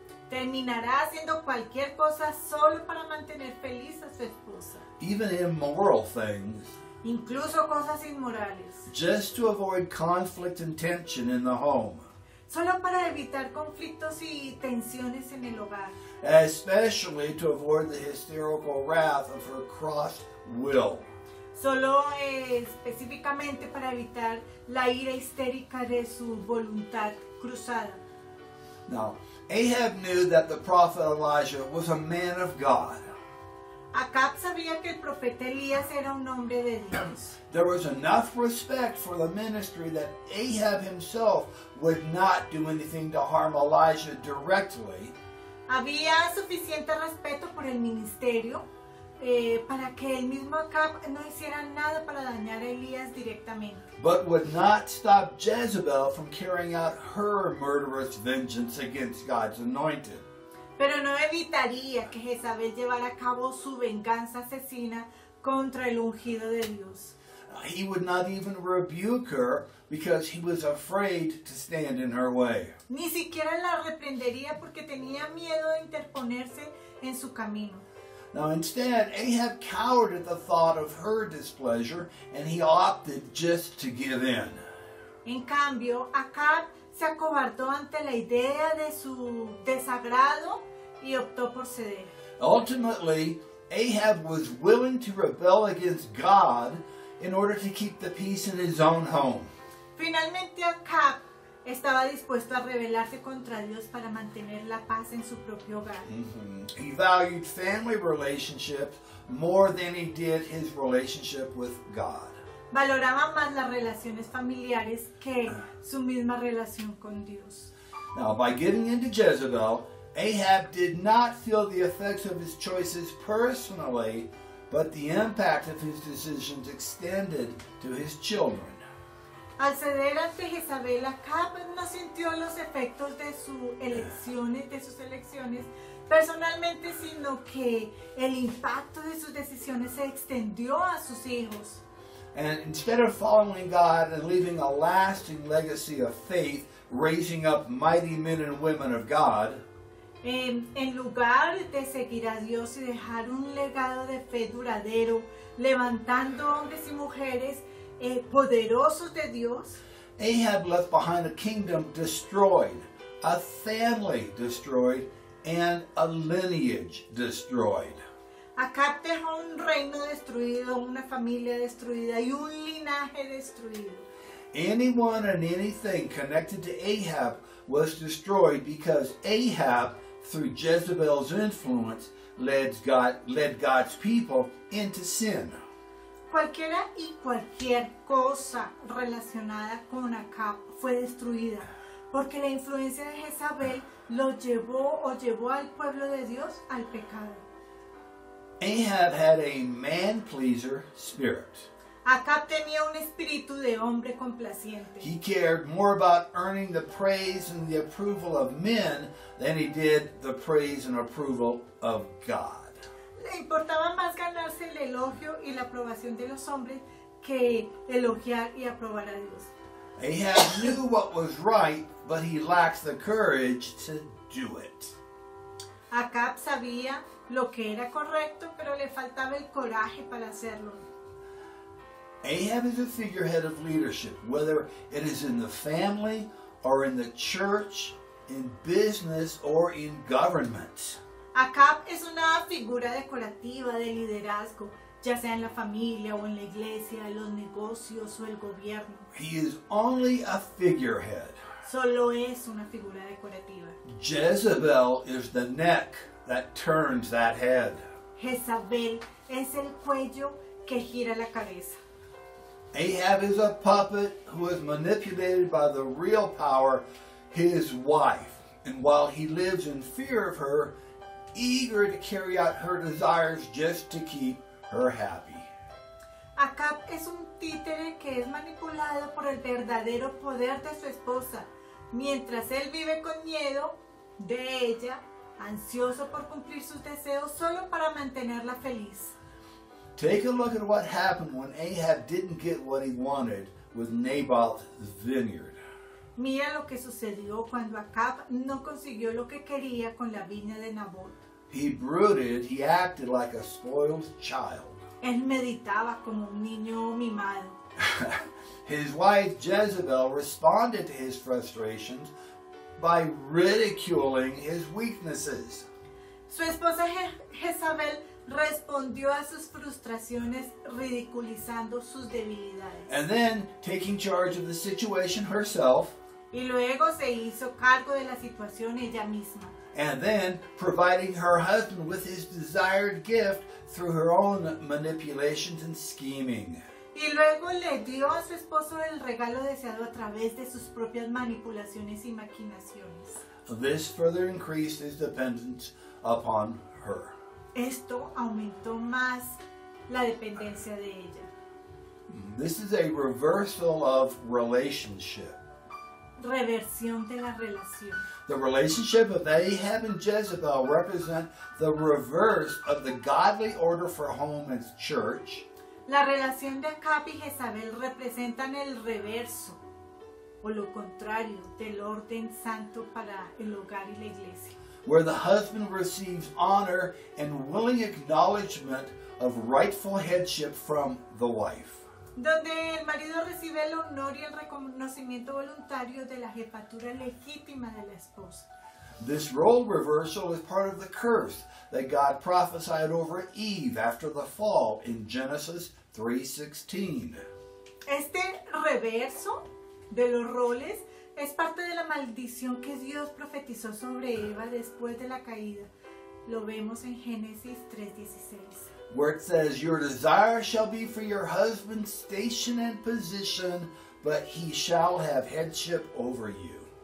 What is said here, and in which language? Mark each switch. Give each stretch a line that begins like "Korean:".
Spanish: Terminará haciendo cualquier cosa solo para mantener feliz a su esposa.
English: Even immoral things.
Spanish: Incluso cosas inmorales.
English: Just to avoid conflict and tension in the home.
Spanish: Solo para evitar conflictos y tensiones en el hogar.
English: Especially to avoid the hysterical wrath of her cross will.
Spanish: Solo específicamente para evitar la ira histérica de su voluntad cruzada.
English: Now, Ahab knew that the prophet Elijah was a man of God.
Spanish: Acab sabía que el profeta Elías era un hombre de Dios.
English: There was enough respect for the ministry that Ahab himself would not do anything to harm Elijah directly.
Spanish: Había suficiente respeto por el ministerio para que el mismo Acab no hiciera nada para dañar a Elías directamente.
English: But would not stop Jezebel from carrying out her murderous vengeance against God's anointed.
Spanish: Pero no evitaría que Jezabel llevara a cabo su venganza asesina contra el ungido de Dios.
English: He would not even rebuke her because he was afraid to stand in her way.
Spanish: Ni siquiera la reprendería porque tenía miedo de interponerse en su camino.
English: Now instead, Ahab cowered at the thought of her displeasure and he opted just to give in.
Spanish: En cambio, Acab se acobardó ante la idea de su desagrado y optó por ceder.
English: Ultimately, Ahab was willing to rebel against God in order to keep the peace in his own home.
Spanish: Finalmente, Acab estaba dispuesto a rebelarse contra Dios para mantener la paz en su propio hogar. Mm-hmm.
English: He valued family relationships more than he did his relationship with God.
Spanish: Valoraba más las relaciones familiares que su misma relación con Dios.
English: Now, by giving into Jezebel, Ahab did not feel the effects of his choices personally, but the impact of his decisions extended to his children.
Spanish: Al ceder ante Jezabel, Acab no sintió los efectos de sus elecciones, personalmente, sino que el impacto de sus decisiones se extendió a sus hijos.
English: And instead of following God and leaving a lasting legacy of faith, raising up mighty men and women of God,
Spanish: En lugar de seguir a Dios y dejar un legado de fe duradero, levantando hombres y mujeres poderosos de Dios,
English: Ahab left behind a kingdom destroyed, a family destroyed, and a lineage destroyed.
Spanish: Acab dejó un reino destruido, una familia destruida y un linaje destruido.
English: Anyone and anything connected to Ahab was destroyed because Ahab, through Jezebel's influence, led God's people into sin.
Spanish: Cualquiera y cualquier cosa relacionada con Acab fue destruida porque la influencia de Jezabel llevó al pueblo de Dios al pecado.
English: Ahab had a man-pleaser spirit.
Spanish: Acab tenía un espíritu de hombre complaciente.
English: He cared more about earning the praise and the approval of men than he did the praise and approval of God.
Spanish: Le importaba más ganarse el elogio y la aprobación de los hombres que elogiar y aprobar a Dios.
English: Ahab knew what was right, but he lacked the courage to do it.
Spanish: Acab sabía lo que era correcto, pero le faltaba el coraje para hacerlo.
English: Ahab is a figurehead of leadership, whether it is in the family, or in the church, in business, or in government.
Spanish: Acab es una figura decorativa de liderazgo, ya sea en la familia, o en la iglesia, los negocios, o el gobierno.
English: He is only a figurehead.
Spanish: Solo es una figura decorativa.
English: Jezebel is the neck that turns that head.
Spanish: Jezabel es el cuello que gira la cabeza.
English: Ahab is a puppet who is manipulated by the real power, his wife. And while he lives in fear of her, eager to carry out her desires just to keep her happy.
Spanish: Acab es un títere que es manipulado por el verdadero poder de su esposa, mientras él vive con miedo de ella, ansioso por cumplir sus deseos solo para mantenerla feliz.
English: Take a look at what happened when Ahab didn't get what he wanted with Naboth's vineyard.
Spanish: Mira lo que sucedió cuando Acab no consiguió lo que quería con la viña de Naboth.
English: He brooded, he acted like a spoiled child.
Spanish: Él meditaba como un niño mimado.
English: His wife Jezebel responded to his frustrations by ridiculing his weaknesses.
Spanish: Su esposa Jezabel respondió a sus frustraciones ridiculizando sus debilidades.
English: And then, taking charge of the situation herself.
Spanish: Y luego se hizo cargo de la situación ella misma.
English: And then, providing her husband with his desired gift through her own manipulations and scheming.
Spanish: Y luego le dio a su esposo el regalo deseado a través de sus propias manipulaciones y maquinaciones.
English: This further increased his dependence upon her.
Spanish: Esto aumentó más la dependencia de ella.
English: This is a reversal of relationship.
Spanish: reversión de la relación.
English: The relationship of Ahab and Jezebel represent the reverse of the godly order for home as church.
Spanish: La relación de Ahab y Jezabel representan el reverso o lo contrario del orden santo para el hogar y la iglesia.
English: Where the husband receives honor and willing acknowledgement of rightful headship from the wife.
Spanish: Donde el marido recibe el honor y el reconocimiento voluntario de la jefatura legítima de la esposa.
English: This role reversal is part of the curse that God prophesied over Eve after the fall in Genesis 3:16.
Spanish: Este reverso de los roles es parte de la maldición que Dios profetizó sobre Eva después de la caída. Lo vemos en Génesis 3:16.
English: Where it says, your desire shall be for your husband's station and position, but he shall have headship over you.